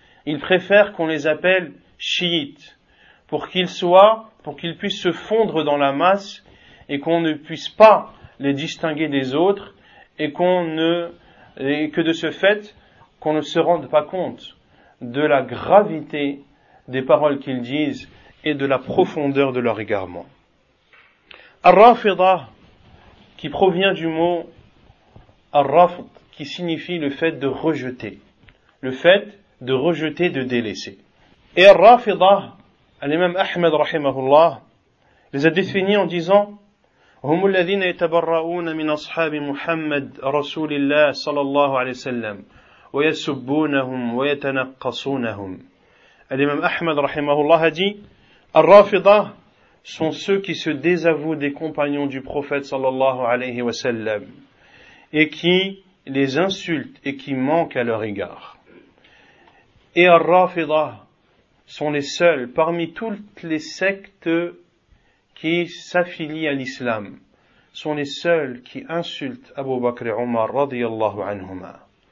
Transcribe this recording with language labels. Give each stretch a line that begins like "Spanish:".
French: Ils préfèrent qu'on les appelle chiites, pour qu'ils soient, pour qu'ils puissent se fondre dans la masse, et qu'on ne puisse pas les distinguer des autres, et que de ce fait, qu'on ne se rende pas compte de la gravité des paroles qu'ils disent et de la profondeur de leur égarement. Ar-Rafida, qui provient du mot Ar-Rafd, qui signifie le fait de rejeter. Le fait de rejeter, de délaisser. Et Ar-Rafida, l'imam Ahmed, rahimahullah, les a définis en disant
Arabic: هم الذين يتبرؤون من أصحاب محمد رسول الله صلى الله عليه وسلم ويسبونهم ويتنقصونهم. الإمام أحمد رحمه الله دي
French: الرافضة sont ceux qui se désavouent des compagnons du prophète صلى الله عليه وسلم et qui les insultent et qui manquent à leur égard. Et الرافضة sont les seuls parmi toutes les sectes qui s'affilient à l'islam, sont les seuls qui insultent Abu Bakr et Omar, radiyallahu anhuma.